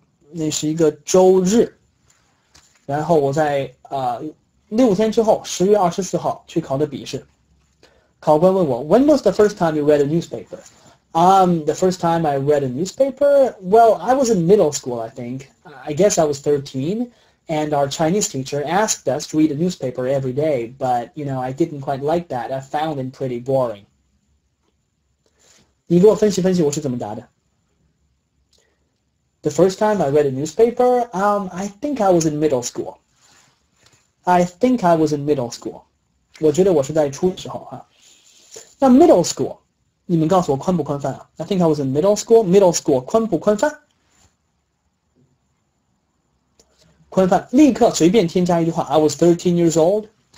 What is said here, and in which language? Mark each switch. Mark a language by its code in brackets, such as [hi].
[zh] 那是一个周日，然后我在6天之后10月24号去考的笔试。考官问我 [en] ,When was the first time you read a newspaper? The first time I read a newspaper? Well, I was in middle school, I think. I guess I was 13, and our Chinese teacher asked us to read a newspaper every day, but, you know, I didn't quite like that. I found it pretty boring. [zh] 你给我分析分析我是怎么答的。 [en] The first time I read a newspaper, I think I was in middle school. I think I was in middle school. [zh] 我觉得我是在初的时候啊。 [en] 那 middle school, [zh] 你们告诉我宽不宽泛啊 [en] ?I think I was in middle school, middle school, [zh] 宽不宽泛？宽泛，立刻随便添加一句话 , [en] I was 13 years old.